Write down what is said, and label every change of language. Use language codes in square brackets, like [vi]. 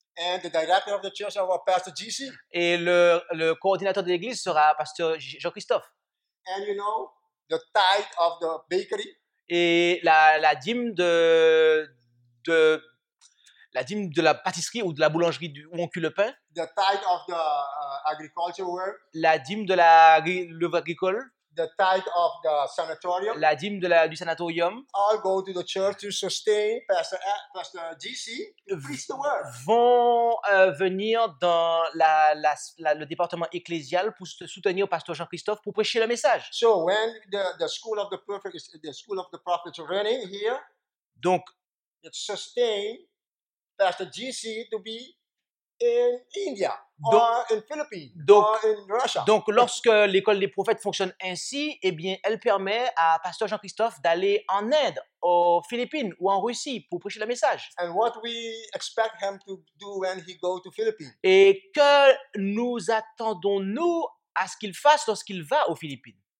[en] And the director of the church is our Pastor GC. [fr] Et le coordinateur de l'église sera Pasteur Jean-Christophe. [en] And you know, the tithe of the bakery. [fr] Et la dîme de la dîme de la pâtisserie ou de la boulangerie où on cuit le pain. [en] The tithe of the agriculture work. [fr] La dîme de la l'œuvre agricole. [en] The tithe of the sanatorium. [fr] La dîme de du sanatorium. [en] All go to the church to sustain Pastor GC to preach the word. [fr] Vont venir dans le département ecclésial pour soutenir Pasteur Jean-Christophe pour prêcher le message. [en] So when the school of the prophet is the school of the prophets running here. [fr] Donc [en] it sustain Pastor GC to be in India or in Philippines or in Russia. [fr] Donc, lorsque l'école des prophètes fonctionne ainsi, eh bien, elle permet à Pasteur Jean-Christophe d'aller en Inde, aux Philippines ou en Russie pour prêcher le message. [en] And what we expect him to do when he go to Philippines? [fr] Et que nous attendons-nous à ce qu'il fasse lorsqu'il va aux Philippines?